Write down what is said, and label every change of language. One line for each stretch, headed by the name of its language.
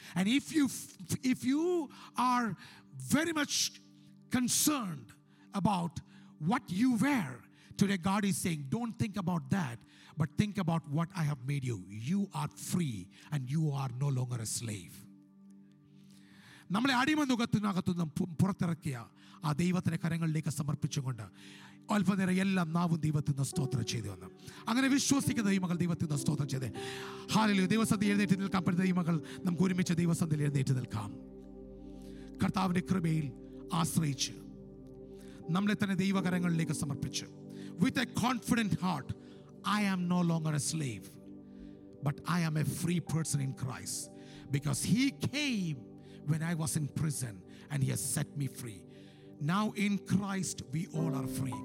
English: And if you are very much concerned about what you wear today, God is saying, don't think about that, but think about what I have made you. You are free and you are no longer a slave.
Malayalam: നമ്മളെ അടിമനുഖത്തിനകത്തുനിന്നും പുറത്തിറക്കിയ ആ ദൈവത്തിൻ്റെ കരങ്ങളിലേക്ക് സമർപ്പിച്ചുകൊണ്ട് അല്പനേരം എല്ലാം നാവും ദൈവത്തിന് സ്തോത്രം ചെയ്തു വന്ന്, അങ്ങനെ വിശ്വസിക്കുന്ന ഈ മകൾ ദൈവത്തിന് സ്തോത്രം ചെയ്ത്, ഹല്ലേലൂയ. ദൈവസന്ധി എഴുന്നേറ്റ് നിൽക്കാൻ പറ്റുന്ന ഈ മകൾ നമുക്ക് ഒരുമിച്ച് ദൈവസന്ധി എഴുന്നേറ്റ് നിൽക്കാം. കർത്താവിൻ്റെ കൃപയിൽ ആശ്രയിച്ച് നമ്മളെ തന്നെ ദൈവകരങ്ങളിലേക്ക് സമർപ്പിച്ച്
English: With a confident heart, I am no longer a slave but I am a free person in Christ, because he came when I was in prison and he has set me free. Now in Christ we all are free.